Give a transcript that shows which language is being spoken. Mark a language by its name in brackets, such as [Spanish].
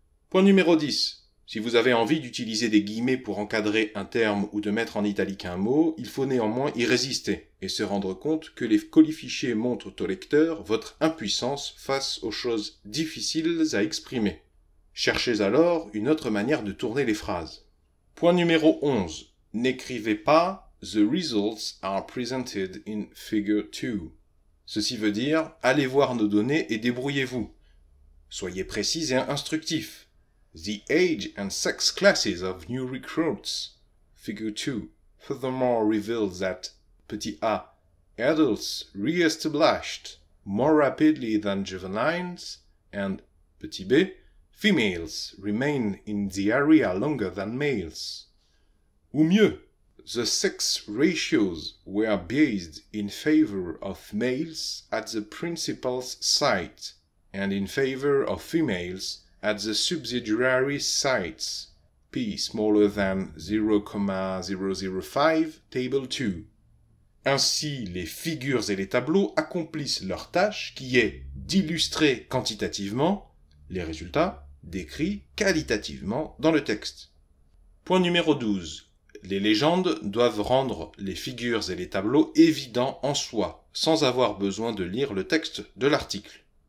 [French] Point numéro 10, si vous avez envie d'utiliser des guillemets pour encadrer un terme ou de mettre en italique un mot, il faut néanmoins y résister et se rendre compte que les colifichiers montrent au lecteur votre impuissance face aux choses difficiles à exprimer. Cherchez alors une autre manière de tourner les phrases. Point numéro 11. N'écrivez pas [English] « The results are presented in figure 2 ». [French] Ceci veut dire « Allez voir nos données et débrouillez-vous ». Soyez précis et instructif. [English] « The age and sex classes of new recruits, figure 2, furthermore reveals that [French] petit a, [English] adults re-established more rapidly than juveniles, and [French] petit b, [English] females remain in the area longer than males. [French] Ou mieux, [English] the sex ratios were based in favor of males at the principal's site, and in favor of females at the subsidiary sites, p smaller than 0,005, table 2. [French] Ainsi, les figures et les tableaux accomplissent leur tâche qui est d'illustrer quantitativement les résultats décrits qualitativement dans le texte. Point numéro 12. Les légendes doivent rendre les figures et les tableaux évidents en soi, sans avoir besoin de lire le texte de l'article.